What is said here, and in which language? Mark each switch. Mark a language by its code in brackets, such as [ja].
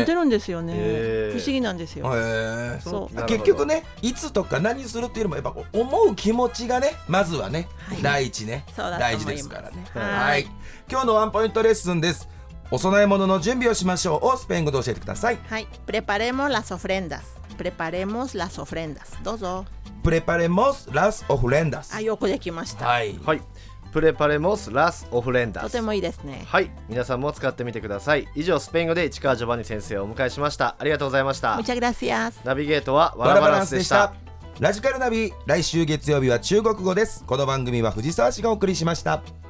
[ja] 似てるんですよね。不思議なんですよ。そう、結局ね、いつとか何するっていうのもやっぱ思う気持ちがね、まずはね、はい、第一ね、大事ですからね、はい、はい。今日のワンポイントレッスンです。お供え物の準備をしましょうをスペイン語で教えてください。 [es] はい、preparemos las ofrendas. Preparemos las ofrendas. [ja] どうぞ。 [es] Preparemos las ofrendas. [ja] あ、よくできました。はい。はい。 [es] Preparemos las ofrendas. [ja] とてもいいですね。はい。皆さんも使ってみてください。以上、スペイン語で市川ジョバンニ先生をお迎えしました。ありがとうございました。 [es] Muchas gracias. [ja] ナビゲートはワラバランスでした。ラジカルナビ、来週月曜日は中国語です。この番組は藤沢氏がお送りしました。